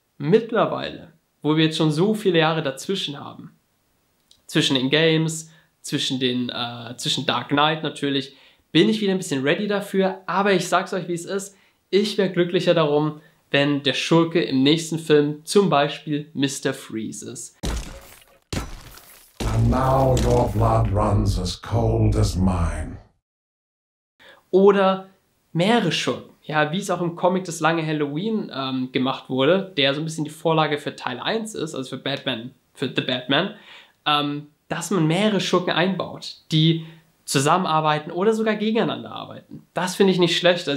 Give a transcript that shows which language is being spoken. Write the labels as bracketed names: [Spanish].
[German] Mittlerweile, wo wir jetzt schon so viele Jahre dazwischen haben, zwischen den Games, zwischen Dark Knight natürlich, bin ich wieder ein bisschen ready dafür, aber ich sag's euch, wie es ist, ich wäre glücklicher darum, wenn der Schurke im nächsten Film zum Beispiel Mr. Freeze ist. [English] And now your blood runs as cold as mine. [German] Oder mehrere Schurken. Ja, wie es auch im Comic Das lange Halloween gemacht wurde, der so ein bisschen die Vorlage für Teil 1 ist, also für Batman, für The Batman, dass man mehrere Schurken einbaut, die zusammenarbeiten oder sogar gegeneinander arbeiten. Das finde ich nicht schlecht.